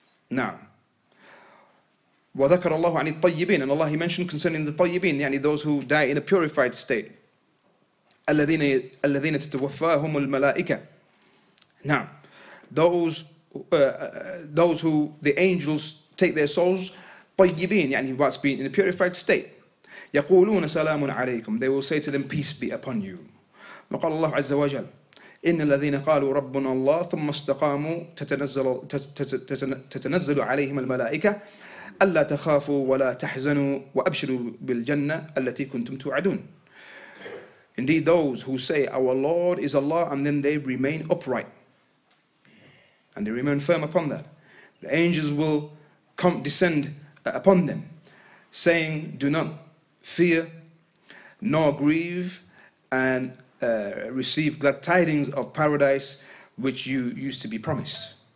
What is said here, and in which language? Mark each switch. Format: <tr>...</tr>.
<en>Now,</en> <ar>وَذَكَرَ اللَّهُ عَنِ الطَّيِّبِينَ,</ar> <en>and Allah, he mentioned concerning the طَيِّبِينَ, يعني those who die in a purified state.</en> <ar>الَّذِينَ تَتَوَفَّاهُمُ الْمَلَائِكَةِ.</ar> <en>Now, those who the angels take their souls, طَيِّبِينَ, يعني whilst being in a purified state.</en> <ar>يَقُولُونَ سَلَامٌ عَلَيْكُمْ,</ar> <en>they will say to them, peace be upon you.</en> <ar>وَقَالَ اللَّهُ عَزَّ وَجَلَ, إن الذين قالوا ربنا الله ثم استقاموا تتنزل عليهم الملائكة ألا تخافوا ولا تحزنوا وأبشروا بالجنة التي كنتم توعدون.</ar> <en>Indeed, those who say our Lord is Allah, and then they remain upright and they remain firm upon that, the angels will come descend upon them, saying, do not fear, nor grieve, and receive glad tidings of paradise, which you used to be promised.</en>